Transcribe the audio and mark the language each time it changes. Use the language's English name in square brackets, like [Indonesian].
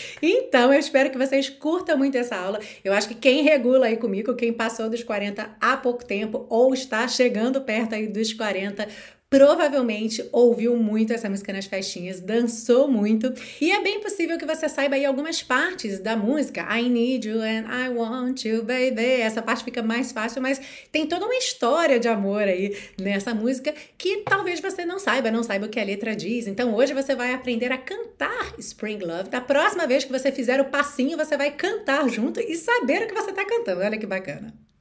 [Portuguese] Então, eu espero que vocês curtam muito essa aula. Eu acho que quem regula aí comigo, quem passou dos 40 há pouco tempo ou está chegando perto aí dos 40, provavelmente ouviu muito essa música nas festinhas, dançou muito, e é bem possível que você saiba aí algumas partes da música. [English] I need you and I want you, baby. [Portuguese] Essa parte fica mais fácil, mas tem toda uma história de amor aí nessa música que talvez você não saiba o que a letra diz. Então hoje você vai aprender a cantar Spring Love. Da próxima vez que você fizer o passinho, você vai cantar junto e saber o que você tá cantando. Olha que bacana.